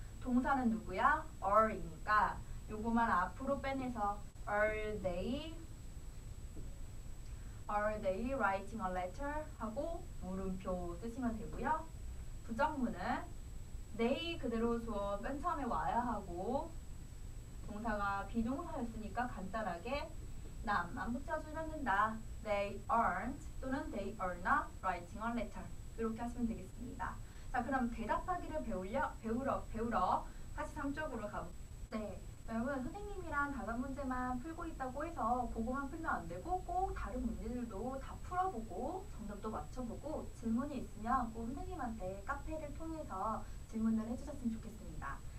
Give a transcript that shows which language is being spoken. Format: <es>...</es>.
<ko>동사는 누구야?</ko> <en>are이니까 요거만 앞으로 빼내서 are they writing a letter?</en> <ko>하고 물음표 쓰시면 되고요. 부정문은 they 그대로 줘맨 처음에 와야 하고 동사가 비동사였으니까 간단하게 not만 붙여주면 된다.</ko> <en>they aren't 또는 they are not writing a letter.</en> <ko>이렇게 하시면 되겠습니다. 자, 그럼 대답하기를 배우러 83쪽으로 가볼게요. 네, 여러분 선생님이랑 다른 문제만 풀고 있다고 해서 그거만 풀면 안 되고 꼭 다른 문제들도 다 풀어보고 정답도 맞춰보고 질문이 있으면 꼭 선생님한테 카페를 통해서 질문을 해주셨으면 좋겠습니다.</ko>